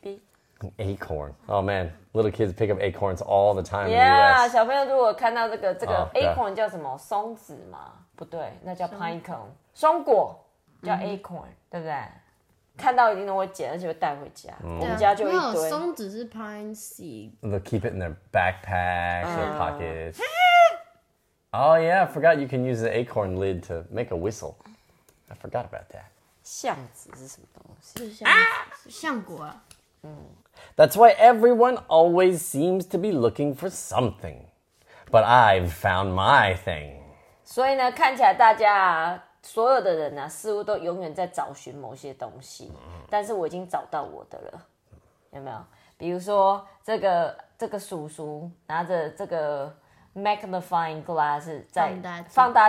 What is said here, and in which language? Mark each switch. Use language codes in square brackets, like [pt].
[en] beep. An acorn. Oh man, little kids pick up acorns all the time yeah, in the US. [zh] Yeah, 小朋友如果看到这个 acorn 叫什么？松子吗？不对，那叫 pine cone. 松果叫 acorn,、mm-hmm. 对不对？看到一定都会捡，而且会带回家。 Mm-hmm. 我们家就一堆。没有，松子是 pine seed. [en] They'll keep it in their backpack, their pockets. Oh yeah, I forgot you can use the acorn lid to make a whistle. I forgot about that. [zh] 橡子是什么东西？是橡果、啊。 [en] That's why everyone always seems to be looking for something, but I've found my thing. [zh] 所以呢，看起来大家啊，所有的人啊，似乎都永远在找寻某些东西，但是我已经找到我的了，有没有？比如说这个叔叔拿着这个 magnifying glass 在放大